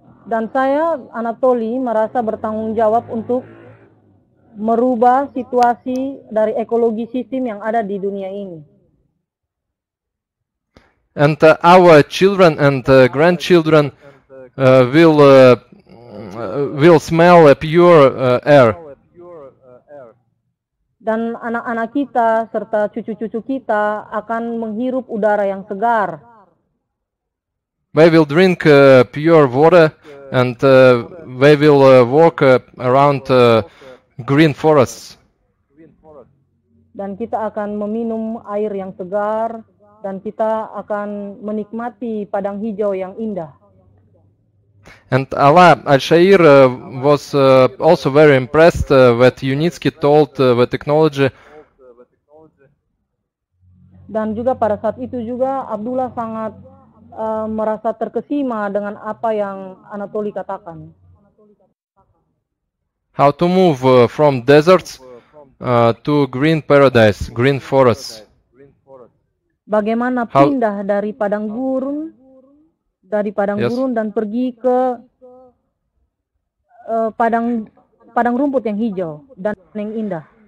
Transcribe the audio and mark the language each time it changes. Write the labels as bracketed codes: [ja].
[id] Dan saya, Anatoly, merasa bertanggung jawab untuk merubah situasi dari ekologi sistem yang ada di dunia ini. [en] And our children and grandchildren will smell a pure air. [id] Dan anak-anak kita serta cucu-cucu kita akan menghirup udara yang segar. [en] They will drink pure water and they will walk around green forests. [id] Dan kita akan meminum air yang segar dan kita akan menikmati padang hijau yang indah. [en] And Ala Al-Shayr was also very impressed what Yunitskiy told the technology. [id] Dan juga pada saat itu juga Abdullah sangat merasa terkesima dengan apa yang Anatoly katakan. [en] How to move from deserts to green paradise, green forests. [id] Bagaimana pindah dari padang gurun dari Padang Gurun dan pergi ke padang rumput yang hijau dan yang indah.